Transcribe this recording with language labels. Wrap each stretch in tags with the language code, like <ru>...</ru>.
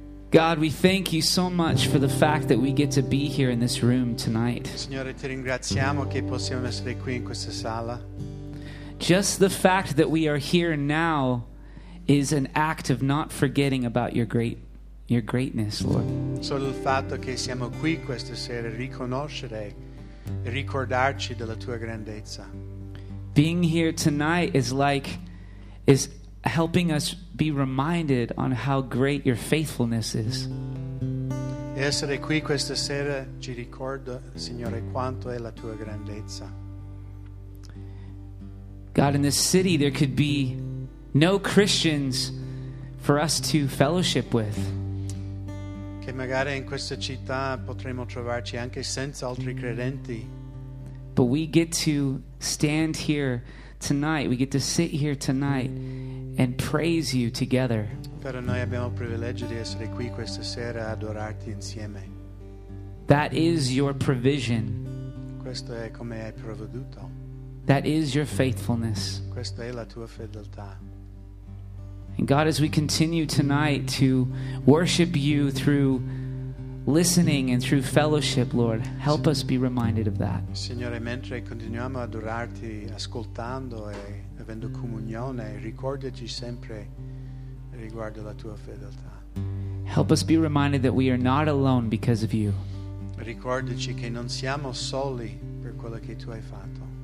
<en>God, we thank you so much for the fact that we get to be here in this room tonight.</en> <it>Signore, ti ringraziamo che possiamo essere qui in questa sala.</it> <en>Just the fact that we are here now is an act of not forgetting about your greatness, Lord.</en> <it>Solo il fatto che siamo qui questa sera riconoscere e ricordarci della tua grandezza.</it> <en>Being here tonight is helping us be reminded on how great your faithfulness is.</en> <it>Essere qui questa sera ci ricorda, Signore, quanto è la tua grandezza.</it> <en>God, in this city there could be no Christians for us to fellowship with.</en> <it>Che magari in questa città potremmo trovarci anche senza altri credenti.</it> <en>But we get to stand here tonight, we get to sit here tonight and praise you together.</en> <it>Però noi abbiamo il privilegio di essere qui questa sera a adorarti insieme.</it> <en>That is your provision.</en> <it>Questo è come hai provveduto.</it> <en>That is your faithfulness.</en> <it>Questa è la tua fedeltà.</it> <en>And God, as we continue tonight to worship you through listening and through fellowship, Lord, help us be reminded of that.</en> <it>Signore, mentre continuiamo ad adorarti, ascoltando e avendo comunione, ricordaci sempre riguardo la tua fedeltà.</it> <en>Help us be reminded that we are not alone because of you.</en> <it>Ricordaci che non siamo soli per quello che tu hai fatto.</it>